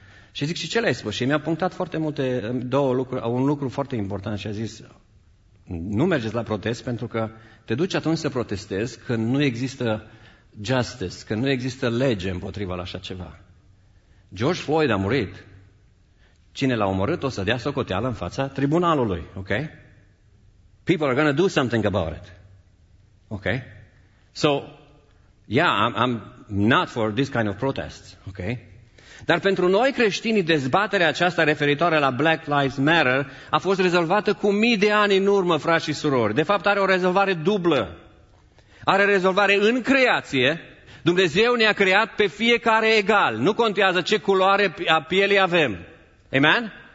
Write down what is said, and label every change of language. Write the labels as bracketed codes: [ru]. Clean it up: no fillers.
[ro] Și zic, și ce le-ai spus? Și mi-a punctat foarte multe, două lucruri, un lucru foarte important și a zis, nu mergeți la protest pentru că te duci atunci să protestezi când nu există justice, când nu există lege împotriva la așa ceva. George Floyd a murit. Cine l-a omorât o să dea socoteală în fața tribunalului, ok? [en] People are going to do something about it, ok? So, yeah, I'm not for this kind of protests, ok? [ro] Dar pentru noi creștini, dezbaterea aceasta referitoare la Black Lives Matter a fost rezolvată cu mii de ani în urmă, frați și surori. De fapt, are o rezolvare dublă. Are rezolvare în creație. Dumnezeu ne-a creat pe fiecare egal. Nu contează ce culoare a pielii avem. Amen?